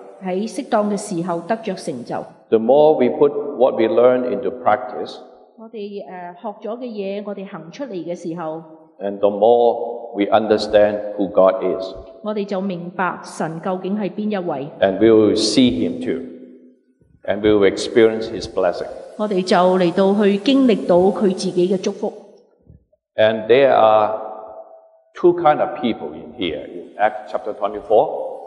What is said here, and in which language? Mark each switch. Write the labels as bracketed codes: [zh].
[yue] 喺适当嘅时候得着成就。 [en] The more we put what we learn into practice， [yue] 我哋学咗嘅嘢，我哋行出嚟嘅时候， [en] and the more we understand who God is， [yue] 我哋就明白神究竟系边一位。 [en] And we will see him too， and we will experience his blessing， [yue] 我哋就嚟到去经历到佢自己嘅祝福。 [en] And there are two kind of people in here in Acts chapter 24。